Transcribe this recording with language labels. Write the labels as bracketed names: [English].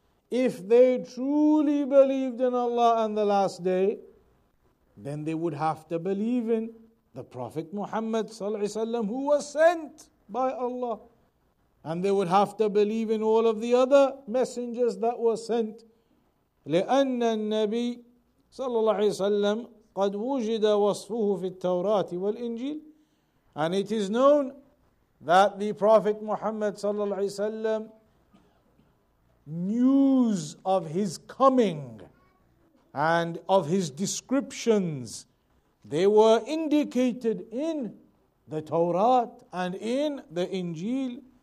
[English] If they truly believed in Allah on the last day, then they would have to believe in the Prophet Muhammad [Arabic] صلى الله عليه وسلم, [English] who was sent by Allah. And they would have to believe in all of the other messengers that were sent. [Arabic] لِأَنَّ النَّبِيِّ صلى الله عليه وسلم قد وجد وصفه في التوراة والإنجيل. [English] And it is known that the Prophet Muhammad [Arabic] صلى الله عليه وسلم, [English] news of his coming and of his descriptions, they were indicated in the Torah and in the Injil.